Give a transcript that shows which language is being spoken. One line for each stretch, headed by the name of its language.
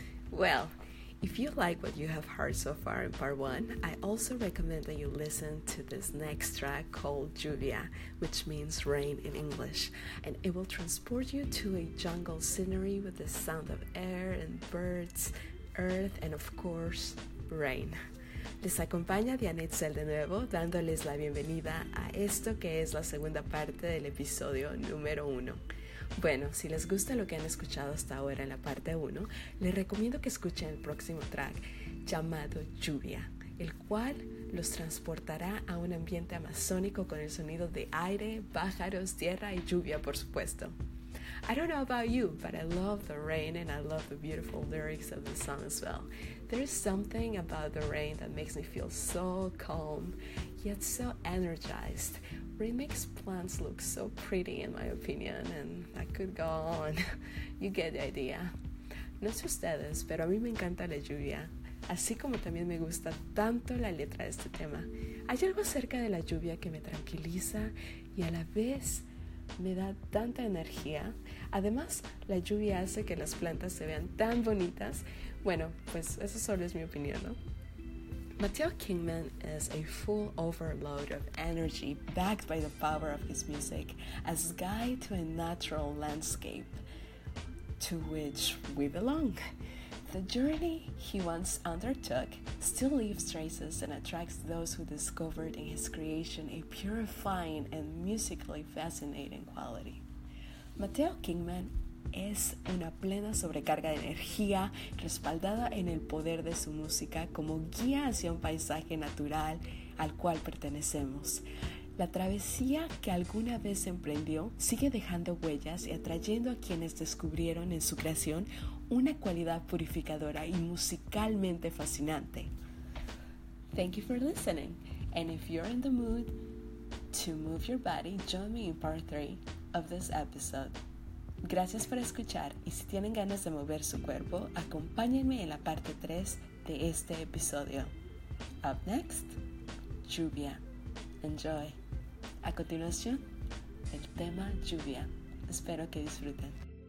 English: Well, if you like what you have heard so far in part one, I also recommend that you listen to this next track called Lluvia, which means rain in English, and it will transport you to a jungle scenery with the sound of air and birds, earth, and of course, rain.
Spanish: Les acompaña Diana Itzel de nuevo, dándoles la bienvenida a esto que es la segunda parte del episodio número uno. Bueno, si les gusta lo que han escuchado hasta ahora en la parte uno, les recomiendo que escuchen el próximo track llamado Lluvia, el cual los transportará a un ambiente amazónico con el sonido de aire, pájaros, tierra y lluvia, por supuesto.
English: I don't know about you, but I love the rain and I love the beautiful lyrics of the song as well. There is something about the rain that makes me feel so calm, yet so energized. Rain makes plants look so pretty in my opinion, and I could go on. You get the idea.
Spanish: No sé ustedes, pero a mí me encanta la lluvia, así como también me gusta tanto la letra de este tema. Hay algo acerca de la lluvia que me tranquiliza y a la vez me da tanta energía. Además, la lluvia hace que las plantas se vean tan bonitas. Bueno, pues eso solo es mi opinión, ¿no?
English: Mateo Kingman is a full overload of energy backed by the power of his music as guide to a natural landscape to which we belong. The journey he once undertook still leaves traces and attracts those who discovered in his creation a purifying and musically fascinating quality.
Spanish: Mateo Kingman es una plena sobrecarga de energía respaldada en el poder de su música como guía hacia un paisaje natural al cual pertenecemos. La travesía que alguna vez emprendió sigue dejando huellas y atrayendo a quienes descubrieron en su creación una cualidad purificadora y musicalmente fascinante.
English: Thank you for listening. And if you're in the mood to move your body, join me in part 3 of this episode.
Spanish: Gracias por escuchar y si tienen ganas de mover su cuerpo, acompáñenme en la parte 3 de este episodio.
English: Up next, lluvia. Enjoy.
Spanish: A continuación, el tema lluvia. Espero que disfruten.